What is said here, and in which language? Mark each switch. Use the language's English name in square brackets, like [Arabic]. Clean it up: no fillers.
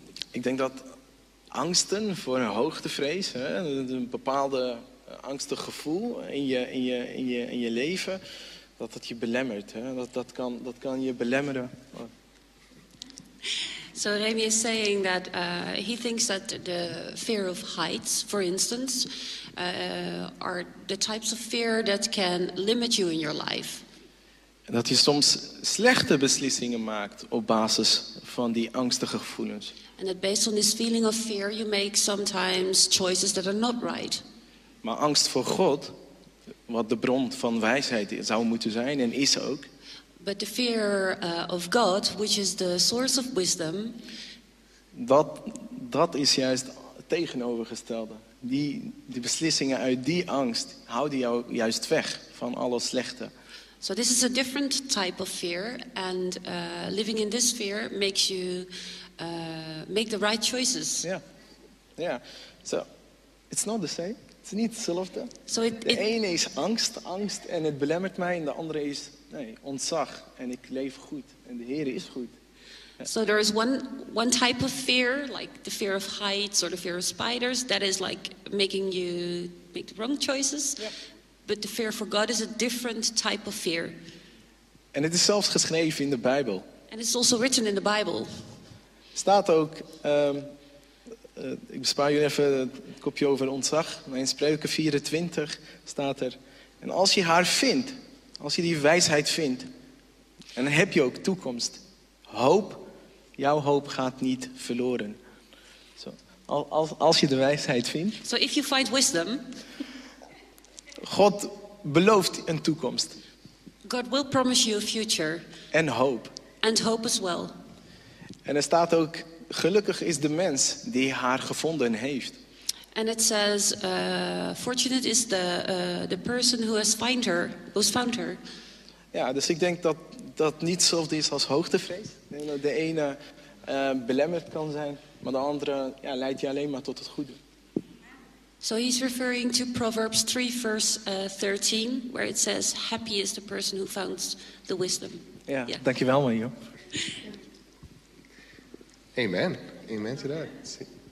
[Dutch] Ik denk dat angsten voor een hoogtevrees, hè, een bepaalde angstig gevoel in je leven, dat je belemmert. Hè? Dat kan je belemmeren. [English] So Remy is saying that he thinks that the fear of heights, for instance, are the types of fear that can limit you in your life. [Dutch] Dat je soms slechte beslissingen maakt op basis van die angstige gevoelens. [English] And that based on this feeling of fear, you make sometimes choices that are not right. [Dutch] Maar angst voor God, wat de bron van wijsheid zou moeten zijn en is ook. [English] But the fear of God, which is the source of wisdom. [Dutch] Dat is juist het tegenovergestelde. Die beslissingen uit die angst houden jou juist weg van alle slechte. [English] So this is a different type of fear. And living in this fear makes you make the right choices. Ja, yeah. Yeah. So it's not the same. [Dutch] Het is niet hetzelfde. [English] So [Dutch] de ene is angst en het belemmert mij. En de andere is ontzag en ik leef goed en de Heer is goed. [English] So there is one type of fear, like the fear of heights or the fear of spiders, that is like making you make the wrong choices. Yeah. But the fear for God is a different type of fear. [Dutch] En het is zelfs geschreven in de Bijbel. [English] And it's also written in the Bible. [Dutch] Staat ook. Ik bespaar jullie even het kopje over ontzag. Maar in Spreuken 24 staat er. En als je haar vindt, als je die wijsheid vindt, en dan heb je ook toekomst. Hoop, jouw hoop gaat niet verloren. So, als je de wijsheid vindt. [English] So if you find wisdom. [Dutch] God belooft een toekomst. [English] God will promise you a future. And hope. And hope as well. [Dutch] En er staat ook, gelukkig is de mens die haar gevonden heeft. [English] And it says, fortunate is the person who has found her, who's found her. [Dutch] Ja, dus ik denk dat dat niet hetzelfde is als hoogtevrees. De ene belemmerd kan zijn, maar de andere ja, leidt je alleen maar tot het goede. [English] So he's referring to Proverbs 3, verse 13, where it says, happy is the person who found the wisdom. [Dutch] Ja, yeah. Dankjewel, Mario. [English] Amen. Amen to that. See?